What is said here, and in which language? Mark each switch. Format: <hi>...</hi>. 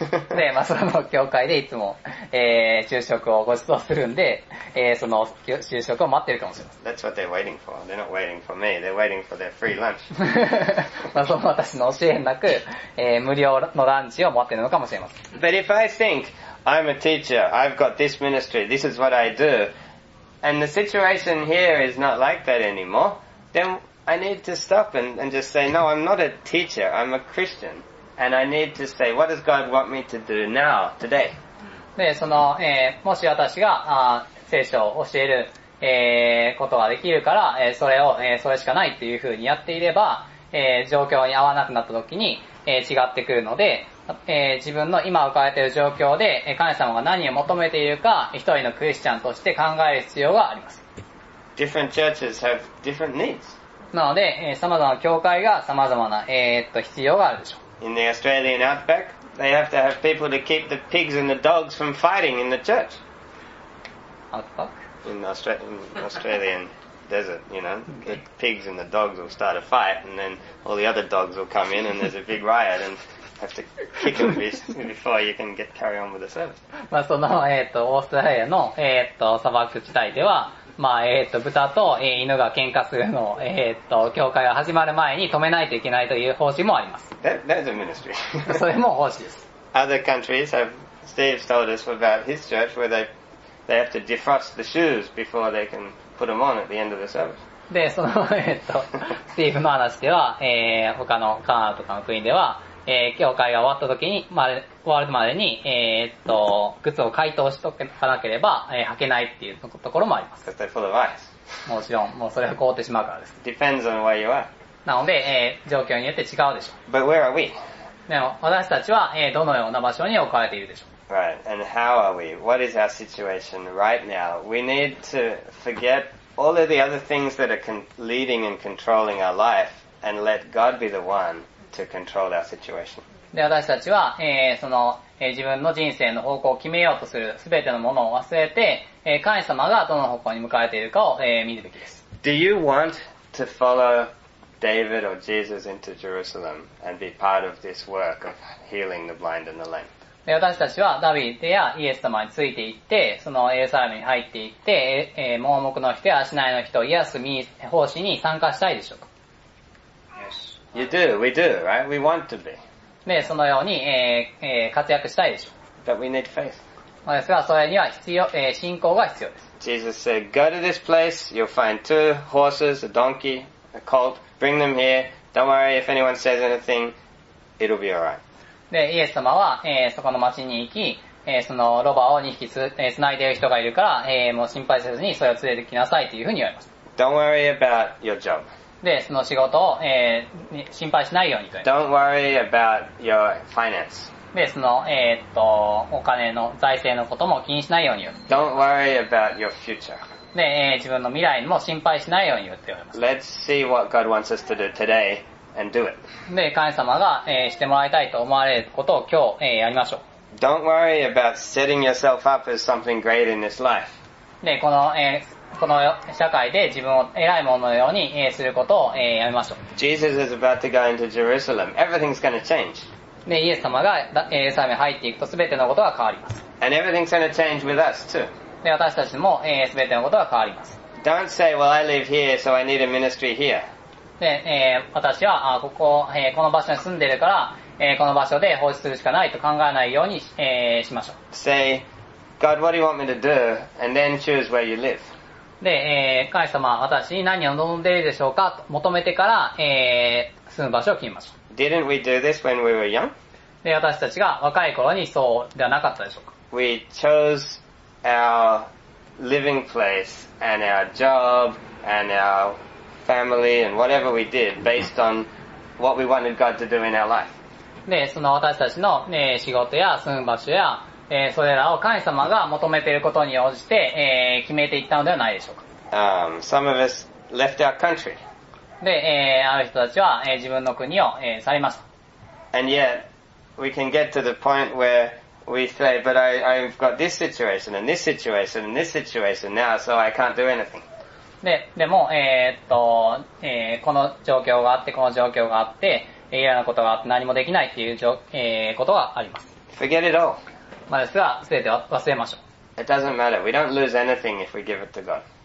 <ja>で、まあ、その教会でいつも、昼食をご馳走するんで、その昼食を待ってるかもしれません。</ja> <en>That's what they're waiting for. They're not waiting for me. They're waiting for their free lunch.</en> <ja>まあ、その私の教えなく、無料のランチを待ってるのかもしれません。</ja> <en>But if I think I'm a teacher, I've got this ministry, this is what I do, and the situation here is not like that anymore, then I need to stop and just say, no, I'm not a teacher, I'm a Christian. And I need to say, what does God want me to do now, today?</en> <ja>で、その、もし私が、聖書を教える、ことができるから、それを、それしかないっていうふうにやっていれば、状況に合わなくなった時に、違ってくるので、自分の今置かれている状況で神様が何を求めているか一人のクリスチャンとして考える必要があります。</ja> <en>Different churches have different needs.</en> <ja>なので、様々な教会が様々な、必要があるでしょう。</ja> <en>In the Australian outback, they have to have people to keep the pigs and the dogs from fighting in the church. Outback? In the Australian desert, you know. The pigs and the dogs will start a fight and then all the other dogs will come in and there's a big riot and have to kick them before you can get carry on with the service.</en> <ja>まあその、オーストラリアの、砂漠地帯では、まあ豚と、犬が喧嘩するのを、教会が始まる前に止めないといけないという方針もあります。</ja> <en>That is a ministry.</en> <ja>それも方針です。</ja> <en>Other countries have, Steve told us about his church where they have to defrost the shoes before they can put them on at the end of the service.</en> <ja>で、その、スティーブの話では、他のカナダとかの国では、教会が終わった時に、終わるまでに、靴を解凍しとかなければ、履けないっていうところもあります。</ja> <en>Because they're full of ice.</en> <ja>もちろん、もうそれは凍ってしまうからです。</ja> <en>Depends on where you are.</en> <ja>なので、状況によって違うでしょう。</ja> <en>But where are we?</en> <ja>でも、私たちは、どのような場所に置かれているでしょう。</ja> <en>Right. And how are we? What is our situation right now? We need to forget all of the other things that are leading and controlling our life and let God be the one. To control our situation.</en> <ja>で私たちは、その、自分の人生の方向を決めようとする全てのものを忘れて、神様がどの方向に向かれているかを、見るべきです。</ja> <en>Do you want to follow David or Jesus into Jerusalem and be part of this work of healing the blind and the lame?</en> <ja>で私たちはダビデやイエス様についていって、そのエルサレムに入っていって、盲目の人や足ないの人を癒す奉仕に参加したいでしょうか？</ja> <en>You do, we do, right? We want to be.</en> <ja>で、そのように、活躍したいでしょう。</ja> <en>But we need faith.</en> <ja>ですが、それには必要、信仰が必要です。</ja> <en>Jesus said, go to this place, you'll find two horses, a donkey, a colt, bring them here, don't worry if anyone says anything, it'll be alright.</en> <ja>で、イエス様は、そこの町に行き、そのロバを2匹繋いでいる人がいるから、もう心配せずにそれを連れてきなさいというふうに言われます。</ja> <en>Don't worry about your job.</en> <ja>で、その仕事を、心配しないようにと言います。</ja> <en>Don't worry about your finance.</en> <ja>で、その、お金の財政のことも気にしないように言います。</ja> <en>Don't worry about your future.</en> <ja>で、自分の未来も心配しないように言って言います。</ja> <en>Let's see what God wants us to do today and do it.</en> <ja>で、神様が、してもらいたいと思われることを今日、やりましょう。</ja> <en>Don't worry about setting yourself up as something great in this life.</en> <ja>で、この社会で自分を偉いもののようにすることをやめましょう。</ja> <en>Jesus is about to go into Jerusalem. Everything's going to change.</en> <ja>で、イエス様がエルサレムに入っていくと全てのことが変わります。</ja> <en>And everything's going to change with us too.</en> <ja>で、私たちも全てのことが変わります。</ja> <en>Don't say, well, I live here, so I need a ministry here.</en> <ja>で、私はこの場所に住んでいるから、この場所で奉仕するしかないと考えないようにしましょう。</ja> <en>Say, God, what do you want me to do? And then choose where you live.</en> <ja>で、神様は私に何を望んでいるでしょうかと求めてから、住む場所を決めましょう。</ja> <en>Didn't we do this when we were young?</en> <ja>で、私たちが若い頃にそうではなかったでしょうか。</ja> <en>We chose our living place and our job and our family and whatever we did based on what we wanted God to do in our life.</en> <ja>で、その私たちの、仕事や住む場所やそれらを神様が求めていることに応じて、決めていったのではないでしょうか。</ja> <en>Some of us left our country.</en> <ja>で、ある人たちは、自分の国を、去りました。</ja> <en>And yet, we can get to the point where we say, but I've got this situation and this situation and this situation now, so I can't do anything.</en> <ja>でも、この状況があって、この状況があって、嫌なことがあって何もできないっていう、ことがあります。</ja> <en>Forget it all.</en> <ja>まあ、ですが、すべては忘れましょう。</ja> <en>It doesn't matter. We don't lose anything if we give it to God.</en>